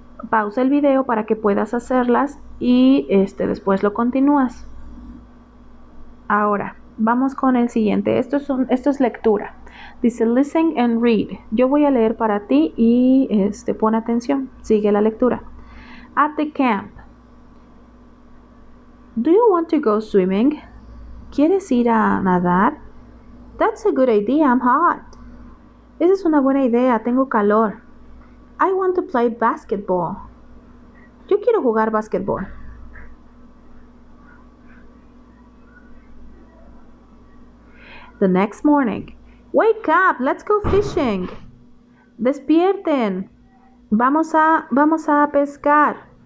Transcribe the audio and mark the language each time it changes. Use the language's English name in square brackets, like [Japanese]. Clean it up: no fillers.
[Spanish] Pausa el video para que puedas hacerlas y después lo continúas. Ahora, vamos con el siguiente. Esto es lectura. Dice [English] listen and read. [Spanish] Yo voy a leer para ti y pon atención. Sigue la lectura. [English] At the camp. Do you want to go swimming? [Spanish] ¿Quieres ir a nadar? [English] That's a good idea. I'm hot. [Spanish] Esa es una buena idea. Tengo calor. [English] I want to play basketball. [Spanish] Yo quiero jugar basketball. [English] The next morning. Wake up, let's go fishing. [Spanish] Despierten. Vamos a pescar.